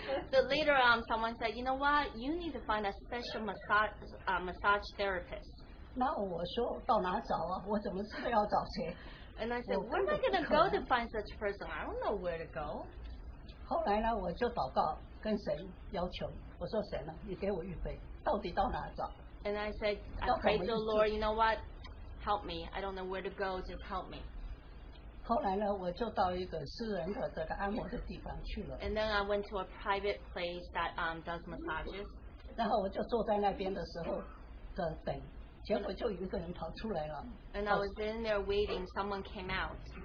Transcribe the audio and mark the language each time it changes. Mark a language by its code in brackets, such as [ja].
[en] So later on, someone said, you know what? You need to find a special massage therapist. [zh] 那我说到哪找啊？我怎么知道要找谁？ [en] And I said, where am I going to go to find such a person? I don't know where to go. [zh] 后来呢，我就祷告跟神要求，我说神啊，你给我预备，到底到哪找？ [en] And I said, I pray to the Lord, you know what? Help me. I don't know where to go, just help me. [zh] 后来呢，我就到一个私人的这个按摩的地方去了。 [en] And then I went to a private place that does massages. [zh] 然后我就坐在那边的时候在等。 [en] And I was sitting there waiting, someone came out.